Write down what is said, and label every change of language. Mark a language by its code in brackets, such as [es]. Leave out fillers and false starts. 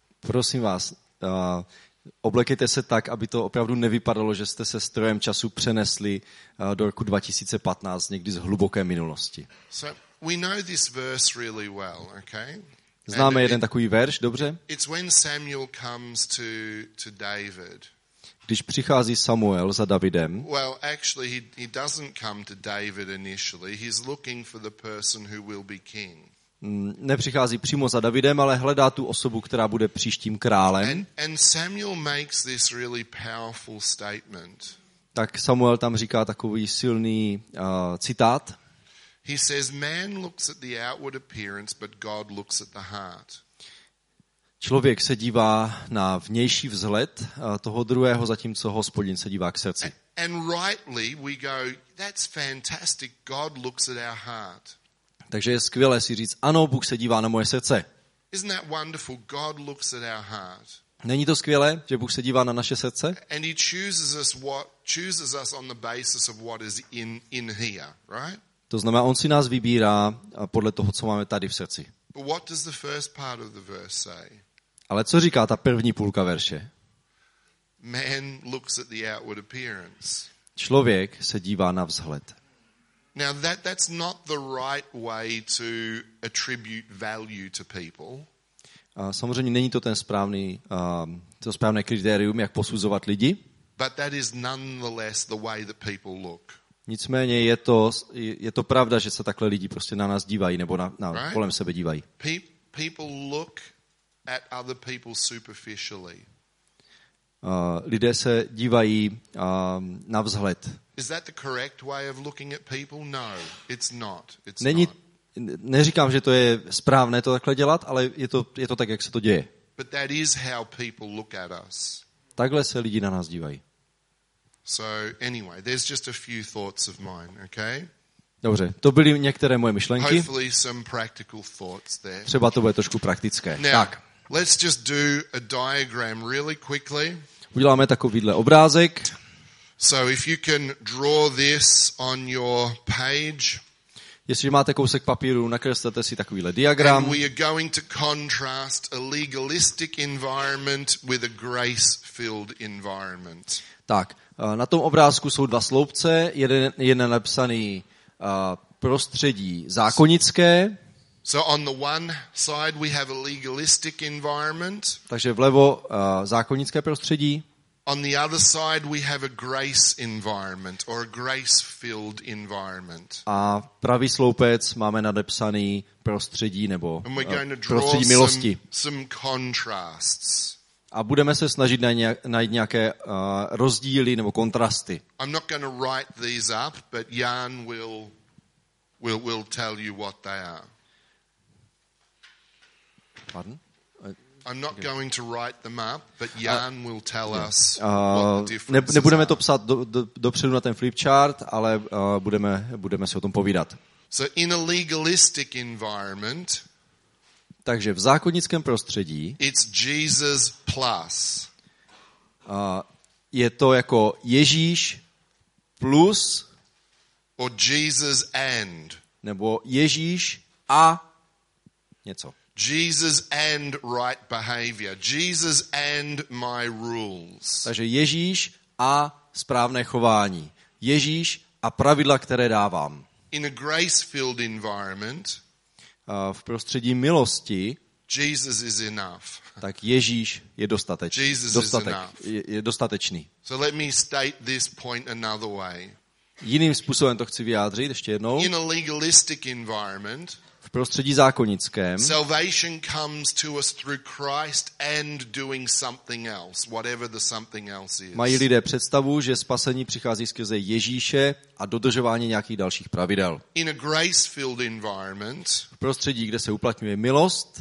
[cs] Prosím vás, oblékejte se tak, aby to opravdu nevypadalo, že jste se strojem času přenesli do roku 2015, někdy z hluboké minulosti. [en] So we know this verse really well, okay? [cs] Známe jeden takový verš, dobře? [en] It's when Samuel comes to David. [cs] Když přichází Samuel za Davidem. [en] Well, actually he doesn't come to David initially. He's looking for the person who will be king. [cs] Nepřichází přímo za Davidem, ale hledá tu osobu, která bude příštím králem. [en] And Samuel makes this really powerful statement. [cs] Tak Samuel tam říká takový silný citát. [en] He says, man looks at the outward appearance, but God looks at the heart. [cs] Člověk se dívá na vnější vzhled toho druhého, zatímco Hospodin se dívá k srdci. [en] And rightly we go, that's fantastic, God looks at our heart. [cs] Takže je skvělé si říct, ano, Bůh se dívá na moje srdce. [en] Isn't that wonderful? God looks at our heart. [cs] Není to skvělé, že Bůh se dívá na naše srdce? [en] And he chooses us on the basis of what is in here, right? [cs] To znamená, on si nás vybírá podle toho, co máme tady v srdci. [en] But what does the first part of the verse say? [cs] Ale co říká ta první půlka verše? [en] Man looks at the outward appearance. [cs] Člověk se dívá na vzhled. [en] Now that's not the right way to attribute value to people. [cs] Samozřejmě není to ten správný to správné kritérium, jak posuzovat lidi. [en] But that is nonetheless the way that people look. [cs] Nicméně je to pravda, že se takhle lidi prostě na nás dívají nebo na [en] right? [cs] kolem sebe dívají. [en] People look at other people superficially. [cs] Lidé se dívají na vzhled. [en] Is that the correct way of looking at people? No, it's not. It's [cs] Není, [en] not. [cs] Neříkám, že to je správné to takhle dělat, ale je to tak, jak se to děje. [en] But that is how people look at us. [cs] Takhle se lidi na nás dívají. [en] So anyway, there's just a few thoughts of mine, okay? [cs] Dobře, to byly některé moje myšlenky. [en] Hopefully some practical thoughts there. [cs] Třeba to bude trošku praktické. [en] Now, [cs] tak. [en] Let's just do a diagram really quickly. [cs] Uděláme takovýhle obrázek. [en] So if you can draw this on your page. [cs] Jestliže máte kousek papíru, nakreslete si takovýhle diagram. [en] And we are going to contrast a legalistic environment with a grace-filled environment. [cs] Tak, na tom obrázku jsou dva sloupce, jeden napsaný prostředí zákonické. [en] So on the one side we have a legalistic environment. [cs] Takže vlevo zákonické prostředí. [en] On the other side we have a grace environment or a grace-filled environment. [cs] A pravý sloupec máme nadepsaný prostředí nebo prostředí milosti. [en] Some contrasts. [cs] A budeme se snažit najít nějaké rozdíly nebo kontrasty. [en] I'm not going to write these up, but Jan will tell you what they are. Pardon? I'm not going to write them up, but Jan will tell us what the differences are. [cs] Nebudeme to psát dopředu na ten flipchart, ale budeme si o tom povídat. [en] So in a legalistic environment, [cs] takže v zákonnickém prostředí, [en] it's Jesus plus. [cs] Je to jako Ježíš plus, [en] or Jesus and, [cs] nebo Ježíš a něco. [en] Jesus and right behavior. Jesus and my rules. [cs] Takže Ježíš a správné chování. Ježíš a pravidla, které dávám. [en] In a grace-filled environment, [cs] v prostředí milosti, [en] Jesus is enough. [cs] Tak Ježíš je dostatečný. [en] Jesus [cs] dostatek, [en] is enough. [cs] Je dostatečný. [en] So let me state this point another way. [cs] Jiným způsobem to chci vyjádřit, ještě jednou. [en] In a legalistic environment, [cs] v prostředí zákonickém. [en] Salvation comes to us through Christ and doing something else, whatever the something else is. [cs] Mají lidé představu, že spasení přichází skrze Ježíše a dodržování nějakých dalších pravidel. [en] In a grace-filled environment, [cs] v prostředí, kde se uplatňuje milost,